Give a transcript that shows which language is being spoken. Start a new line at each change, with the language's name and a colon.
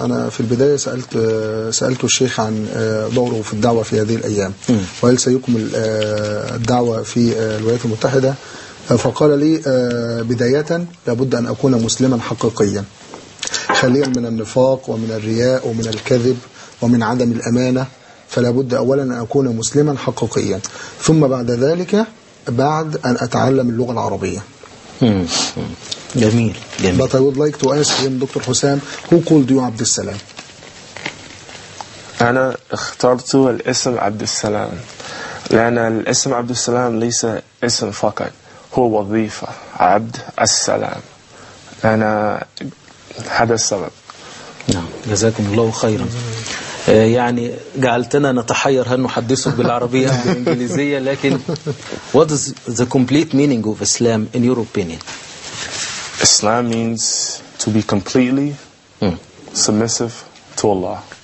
Arabic: أنا في البداية سألت الشيخ عن دوره في الدعوة في هذه الأيام، وهل سيكمل الدعوة في الولايات المتحدة؟ فقال لي بداية لابد أن أكون مسلما حقيقيا، خاليا من النفاق ومن الرياء ومن الكذب ومن عدم الأمانة. فلابد أولا أن أكون مسلما حقيقيا، ثم بعد ذلك بعد أن أتعلم اللغة العربية. جميل جميل.
English: But I would like to ask him, Dr. Hussam, who called you عبد السلام؟
Arabic: أنا اخترت الاسم عبد السلام لأن الاسم عبد السلام ليس اسم فقط، هو وظيفة. عبد السلام، أنا هذا السبب. نعم. جزاكم الله خيرا. يعني جعلتنا نتحير هل نحدثه بالعربية أو بالإنجليزية. لكن
English: what is the complete meaning of Islam in your opinion? Islam means to be completely submissive to Allah.